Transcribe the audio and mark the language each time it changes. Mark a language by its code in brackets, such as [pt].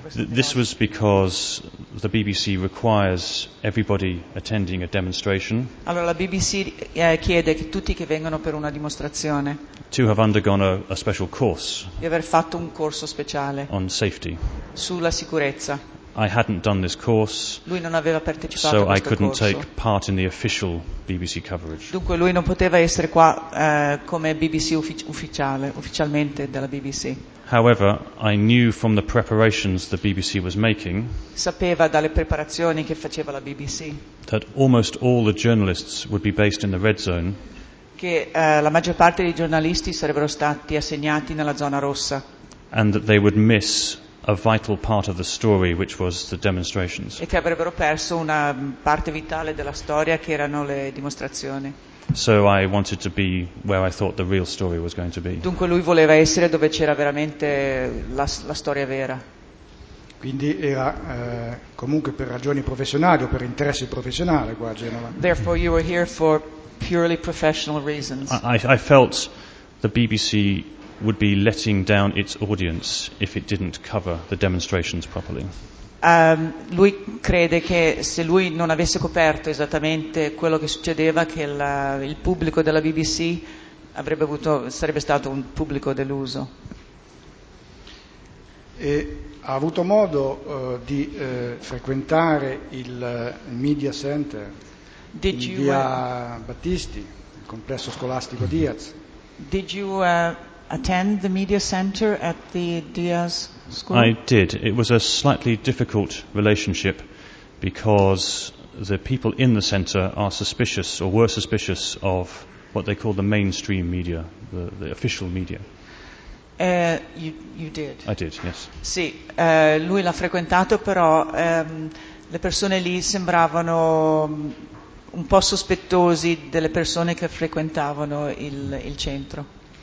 [en] this was because the BBC requires everybody attending a demonstration. [it] Allora la BBC chiede che tutti che vengano per una dimostrazione. [en] To have undergone a special course. [it] Di aver fatto un corso speciale. [en] On safety. [it] Sulla sicurezza. [en] I hadn't done this course. [it] Lui non aveva partecipato [en] so [it] a questo corso. [en] So I couldn't take part in the official BBC coverage. [it] Dunque lui non poteva essere qua come BBC ufficialmente della BBC. [en] However, I knew from the preparations the BBC was making. [it] Sapeva dalle preparazioni che faceva la BBC. [en] That almost all the journalists would be based in the red zone. [it] che la maggior parte dei giornalisti sarebbero stati assegnati nella zona rossa. [en] And that they would miss a vital part of the story, which was the demonstrations. [it] E che avrebbero perso una parte vitale della storia, che erano le dimostrazioni. [en] So I wanted to be where I thought the real story was going to be. [it] Dunque lui voleva essere dove c'era veramente la storia vera. Quindi era comunque per ragioni professionali o per interesse professionale qua a Genova. [en] Therefore you were here for purely professional reasons. I felt the BBC would be letting down its audience if it didn't cover the demonstrations properly. [it] Lui crede che se lui non avesse coperto esattamente quello che succedeva, che il pubblico della BBC sarebbe stato un pubblico deluso. E ha avuto modo di frequentare il Media Center di via Battisti, il complesso scolastico Diaz? [en] Did you attend the Media Center at the Diaz School? I did. It was a slightly difficult relationship because the people in the center are suspicious, or were suspicious, of what they call the mainstream media, the official media. You did. I did, yes. [it] Sì, lui l'ha frequentato, però le persone lì sembravano un po' sospettosi delle persone che frequentavano il centro.